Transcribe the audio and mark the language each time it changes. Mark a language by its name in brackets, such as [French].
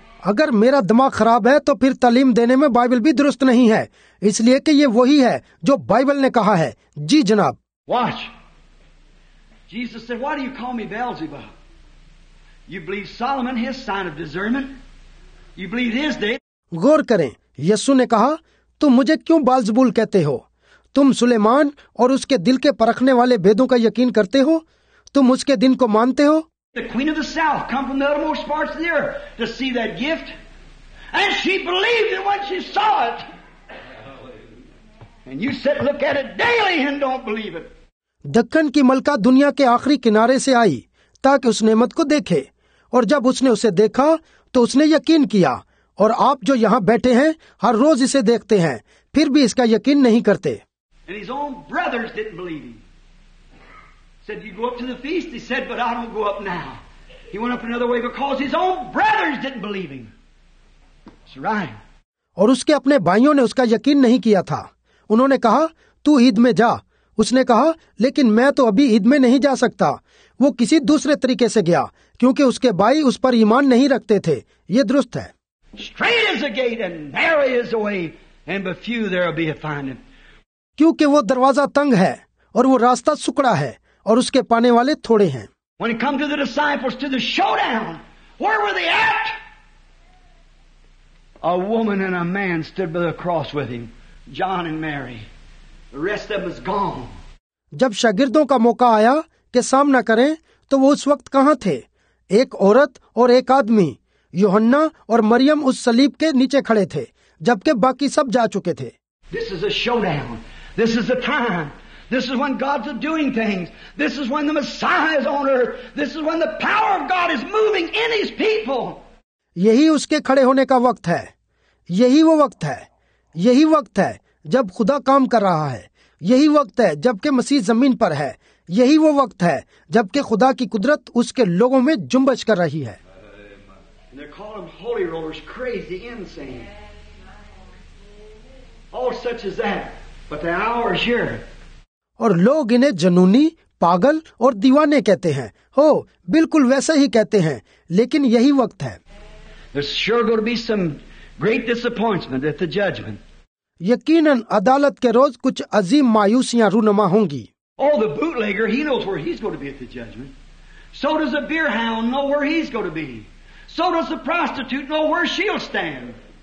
[Hindi] अगर मेरा दिमाग खराब है तो फिर तालीम देने में बाइबल भी दुरुस्त नहीं है, इसलिए कि ये वही है जो बाइबल ने कहा है। जी जनाब। [English] Watch. Jesus said, "Why do you call me Beelzebub? You believe Solomon, his sign of discernment? You believe his day?" [Hindi] गौर करें, यीशु ने कहा, तुम मुझे क्यों बालजबूल कहते हो? तुम सुलेमान और उसके दिल के परखने वाले भेदों का यकीन करते हो? तुम उसके दिन को मानते हो? [English] The queen of the south come from the uttermost parts of the earth to see that gift, and she believed it when she saw it. And you sit and look at it daily and don't believe it. [Hindi] Deccan की मलका दुनिया के आखिरी किनारे से आई ताकि उस नेमत को देखे, और जब उसने उसे देखा तो उसने यकीन किया, और आप जो यहाँ बैठे हैं हर रोज इसे देखते हैं फिर भी इसका यकीन नहीं करते। [English] And his own brothers didn't believe him. Said, "You go up to the feast." He said, "But I don't go up now." He went up another way because his own brothers didn't believe him. It's right. [Hindi] और उसके अपने भाइयों ने उसका यकीन नहीं किया था। उन्होंने कहा, तू ईद में जा। उसने कहा, लेकिन मैं तो अभी ईद में नहीं जा सकता। वो किसी दूसरे तरीके से गया क्योंकि उसके भाई उस पर ईमान नहीं रखते थे। ये दुरुस्त है। [English] Straight is the gate and narrow is the way, and but few there will be a finding. [Hindi] क्योंकि वो दरवाजा तंग है और वो रास्ता सुकड़ा है और उसके पाने वाले थोड़े हैं। [English] When it comes to the disciples, to the showdown, where were they at? A woman and a man stood by the cross with him. John and Mary. The rest of them is gone. [Hindi] जब शागिर्दों का मौका आया कि सामना करें तो वो उस वक्त कहाँ थे? एक औरत और एक आदमी, यूहन्ना और मरियम उस सलीब के नीचे खड़े थे जबकि बाकी सब जा चुके थे। [English] This is a showdown. This is the time. This is when God's doing things. This is when the Messiah is on earth. This is when the power of God is moving in his people. [Hindi] यही उसके खड़े होने का वक्त है। यही वो वक्त है। यही वक्त है जब खुदा काम कर रहा है। यही वक्त है जबकि मसीह जमीन पर है। यही वो वक्त है जबकि खुदा की कुदरत उसके लोगों में जुम्बश कर रही है। [English] And they call them holy rollers, crazy, insane. All such as that. But the hour is here. [Hindi] और लोग इन्हें जनूनी, पागल और दीवाने कहते हैं। हो बिल्कुल वैसा ही कहते हैं, लेकिन यही वक्त है। [English] There's sure going to be some great disappointment at the judgment. [Hindi] यकीनन अदालत के रोज कुछ अजीम मायूसियां रूनमा होंगी। [English] Oh, the bootlegger, he knows where he's going to be at the judgment. So does the beer hound know where he's going to be. So does the prostitute know where she'll stand.